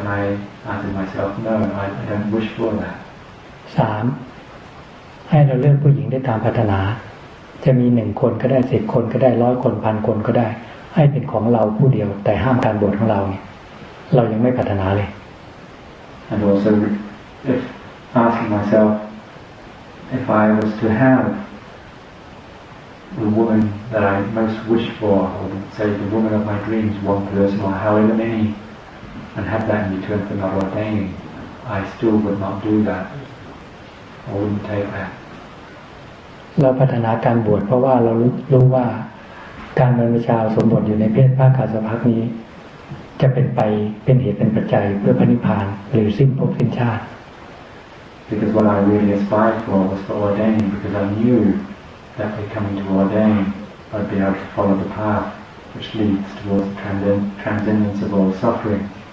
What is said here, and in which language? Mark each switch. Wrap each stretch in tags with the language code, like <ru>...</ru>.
<en>And I answered myself, no, I don't wish for that. 3.</en> <th>ให้เราเลือกผู้หญิงได้ตามปรารถนาจะมี1คนก็ได้10คนก็ได้100คน1000คนก็ได้ให้เป็นของเราผู้เดียวแต่ห้ามการบวชของเราเนี่ยเรายังไม่ปรารถนาเลย</th> <en>And also, if asking myself, if I was to have the woman that I most wish for, or say the woman of my dreams, one person or however many, and have that in return for not ordaining, I still would not do that. I wouldn't take that.</en> <th>เราพัฒนาการบวชเพราะว่าเรารู้ว่าการบรรพชาสมบทอยู่ในเพศภาคาสภักนี้จะเป็นไปเป็นเหตุเป็นปัจจัยเพื่อพระนิพพานหรือสิ้นภพสิ้นชาติ</th> <en>Because what I really aspired for was for ordaining, because I knewThat by coming to ordain, I'd be able to follow the path which leads towards transcendence of all suffering.</en>